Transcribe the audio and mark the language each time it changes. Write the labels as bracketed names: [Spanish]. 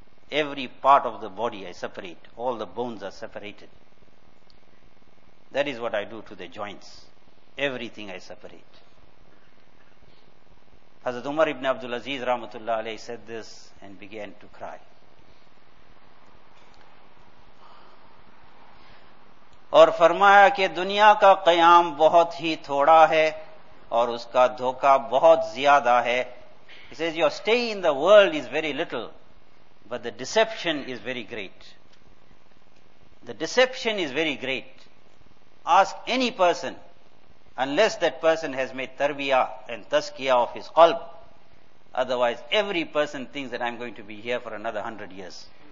[English] Every part of the body I separate. All the bones are separated. That is what I do to the joints. Everything I separate. Hazrat Umar ibn Abdul Aziz Rahmatullah Alayhi said this and began to cry. [Urdu] اور فرمایا کہ دنیا کا قیام بہت ہی تھوڑا ہے اور اس کا دھوکا بہت زیادہ ہے. [English] He says your stay in the world is very little, but the deception is very great. The deception is very great. Ask any person, unless that person has made tarbiyah and tazkiyah of his qalb, otherwise every person thinks that I'm going to be here for another 100 years.